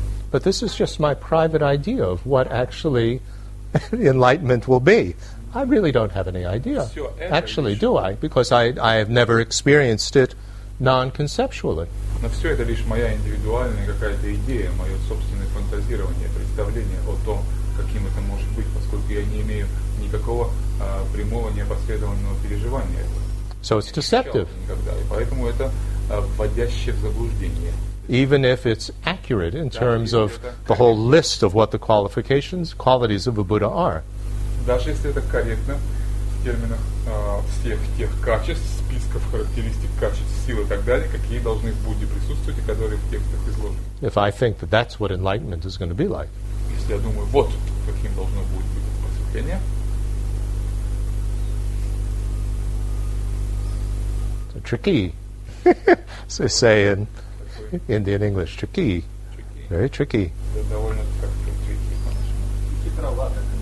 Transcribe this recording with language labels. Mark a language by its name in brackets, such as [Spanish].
[English] But this is just my private idea of what actually enlightenment will be. I really don't have any idea. Actually, do I? Because I have never experienced it non-conceptually. [Russian] Но все это лишь моя индивидуальная какая-то идея, мое собственное фантазирование, представление о том, каким это может быть, поскольку я не имею никакого прямого, непосредственного переживания этого. [English] So it's deceptive. [Russian] Никогда. И поэтому это вводящее в заблуждение. [English] Even if it's accurate in terms of the whole list of what the qualities of a Buddha are. [Russian] Даже если это корректно в терминах всех тех качеств, списков, характеристик, качеств, сил и так далее, какие должны в Будде присутствовать и которые в текстах изложены. [English] If I think that that's what enlightenment is going to be like. [Russian] Если я думаю, вот каким должно будет быть просветление. [English] So tricky. So say in Indian English, tricky. Very tricky. [Russian] Довольно так tricky, по-нашему. Хитровато.